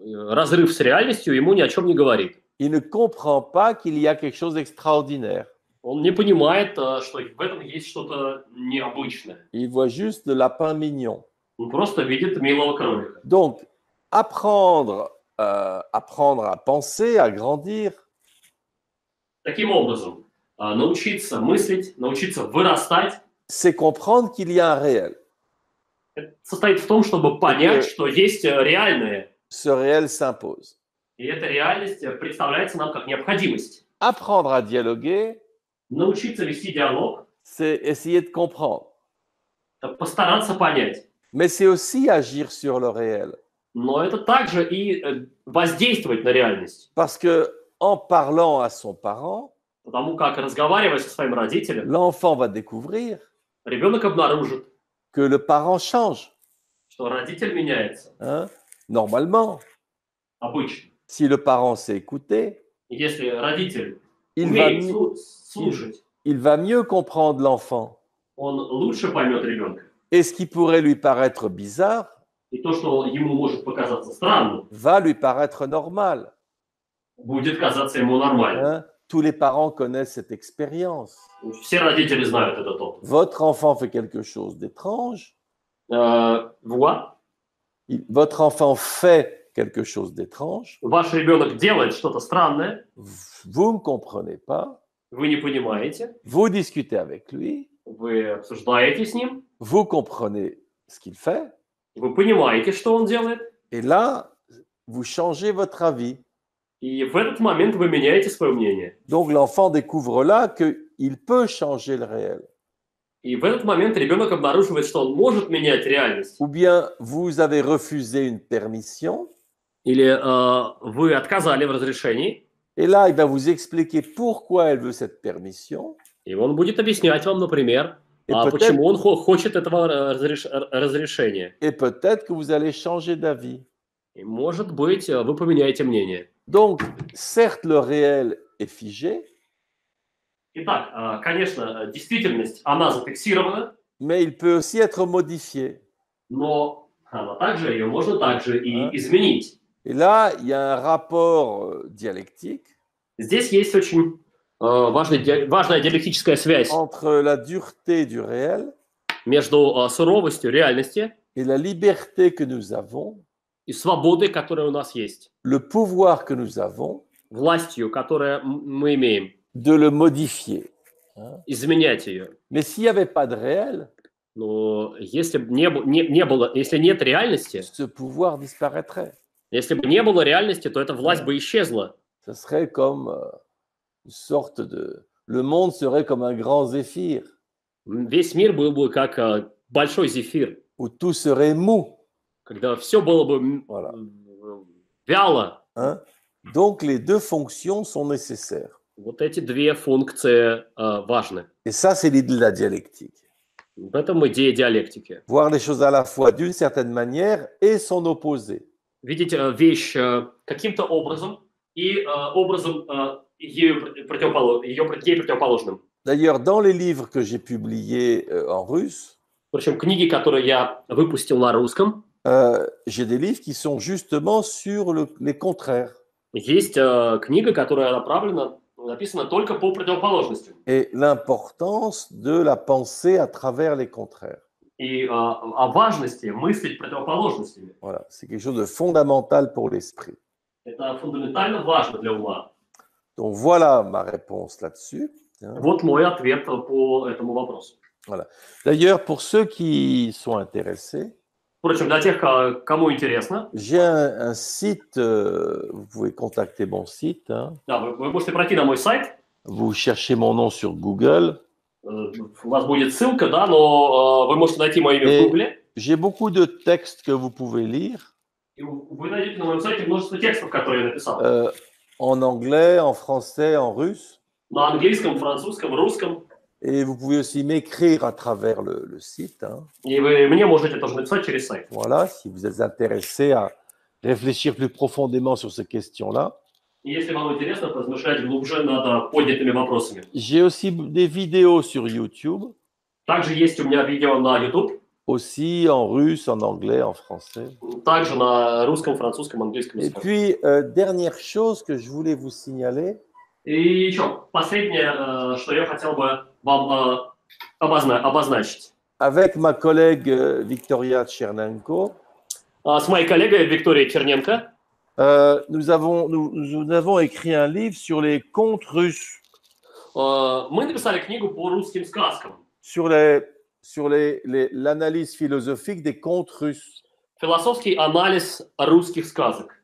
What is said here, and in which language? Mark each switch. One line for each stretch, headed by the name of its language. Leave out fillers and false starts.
Russian: Разрыв с реальностью ему ни о чем не говорит.
French: Il ne comprend pas qu'il y a quelque chose d'extraordinaire.
Russian: Он не понимает, что в этом есть что-то необычное.
French: Il voit juste le lapin mignon.
Russian: Он просто видит милого кролика.
French: Donc, apprendre à penser, à grandir.
Russian: Таким образом, научиться мыслить, научиться вырастать.
French: C'est comprendre qu'il y a un réel.
Russian: Это состоит в том, чтобы понять, что есть реальное.
French: Ce réel s'impose.
Russian: И эта реальность представляется нам как необходимость.
French: Apprendre à dialoguer.
Russian: Научиться вести диалог.
French: C'est essayer de comprendre.
Russian: Это постараться понять.
French: Mais c'est aussi agir sur le réel.
Russian: Но это также и воздействовать на реальность.
French: Parce que en parlant à son parent,
Russian: потому как разговаривая со своим родителем,
French: l'enfant va découvrir,
Russian: ребенок обнаружит,
French: que le parent change,
Russian: что родитель меняется.
French: Hein? Normalement.
Russian: Обычно.
French: Si le parent sait écouter,
Russian: если родитель умеет слушать,
French: il va mieux comprendre l'enfant.
Russian: Он лучше поймет ребенка.
French: Et ce qui pourrait lui paraître bizarre,
Russian: и то, что ему может показаться странным,
French: va lui paraître normal.
Russian: Будет казаться ему нормальным. Hein?
French: Tous les parents connaissent cette expérience.
Russian: Все родители знают этот опыт.
French: Votre enfant fait quelque chose d'étrange. Voit. Votre enfant fait quelque chose d'étrange.
Russian: Ваш ребенок делает что-то странное.
French: Vous ne comprenez pas.
Russian: Вы не понимаете.
French: Vous discutez avec lui.
Russian: Вы обсуждаете с ним.
French: Vous comprenez ce qu'il fait.
Russian: Вы понимаете, что он делает.
French: Et là, vous changez votre avis.
Russian: И в этот момент вы меняете свое мнение.
French: Donc l'enfant découvre là que il peut changer le réel.
Russian: И в этот момент ребенок обнаруживает, что он может менять реальность.
French: Ou bien vous avez refusé une permission.
Russian: Или вы отказали в разрешении.
French: Et là, il va vous expliquer pourquoi elle veut cette permission.
Russian: И он будет объяснять вам, например, почему он хочет этого разрешения.
French: Et peut-être que vous allez changer d'avis.
Russian: И может быть, вы поменяете мнение.
French: Donc, certes, le réel est figé.
Russian: Итак, конечно, действительность, она зафиксирована.
French: Mais il peut aussi être modifié.
Russian: Но также ее можно также и изменить.
French: Et là, il y a un rapport dialectique.
Russian: Здесь есть очень важная диалектическая связь.
French: Entre la dureté du réel.
Russian: Между суровостью реальности.
French: Et la liberté que nous avons.
Russian: И свободы, которые у нас есть.
French: Le pouvoir que nous avons.
Russian: Властью, которую мы имеем.
French: De le modifier.
Russian: Изменять ее.
French: Mais s'il n'y avait pas de réel.
Russian: Но если бы не было, если нет реальности.
French: Ce pouvoir disparaîtrait.
Russian: Если бы не было реальности, то эта власть бы исчезла.
French: Ce serait comme une sorte de... Le monde serait comme un grand zéphyr.
Russian: Весь мир был бы как большой зефир.
French: Où tout serait mou.
Russian: Когда все было бы
French: voilà.
Russian: Вяло. Hein?
French: Donc les deux fonctions sont nécessaires.
Russian: Вот эти две функции важны.
French: Et ça, c'est l'idée de la dialectique.
Russian: В этом идея диалектики.
French: Voir les choses à la fois d'une certaine manière et son opposé.
Russian: Видеть вещь каким-то образом и образом ей противоположным.
French: D'ailleurs, dans les livres que j'ai publiés en russe,
Russian: причем книги, которые я выпустил на русском,
French: J'ai des livres qui sont justement sur les contraires.
Russian: Есть книга, которая направлена написано только по противоположностям. И
French: l'importance de la pensée à travers les contraires.
Russian: И о важности мыслить противоположностями.
French: Voilà, c'est quelque chose de fondamental pour l'esprit.
Russian: Это фундаментально важно для ума.
French: Donc voilà ma réponse là-dessus.
Russian: Вот мой ответ по этому вопросу.
French: Voilà. D'ailleurs, pour ceux qui sont intéressés,
Russian: впрочем, для тех, кому интересно,
French: j'ai un site, vous pouvez contacter mon site.
Russian: Да, вы можете пройти на мой сайт.
French: Vous cherchez mon nom sur Google.
Russian: У вас будет ссылка, да, но вы можете найти мое имя в Google.
French: J'ai beaucoup de textes que vous pouvez lire.
Russian: И вы найдете на моем сайте множество текстов, которые я написал.
French: En anglais, en français, en russe.
Russian: На английском, французском, русском.
French: Et vous pouvez aussi m'écrire à travers le site. Hein. Et vous,
Russian: мне можете тоже написать через сайт.
French: Voilà, si vous êtes intéressé à réfléchir plus profondément sur ces questions-là. Et
Russian: если вам интересно размышлять глубже над поднятыми вопросами.
French: J'ai aussi des vidéos sur YouTube.
Russian: Также есть у меня видео на YouTube.
French: Aussi en russe, en anglais, en français.
Russian: Также на русском, французском, английском.
French: Et puis, dernière chose que je voulais vous signaler. Et
Russian: еще последнее, что я хотел бы вам обозначить.
French: Avec ma collègue Victoria Chernenko.
Russian: С моей коллегой Викторией Черненко.
French: Nous avons écrit un livre sur les contes russes.
Russian: Мы написали книгу по русским сказкам.
French: Sur l'analyse philosophique des contes russes.
Russian: Философский анализ русских сказок.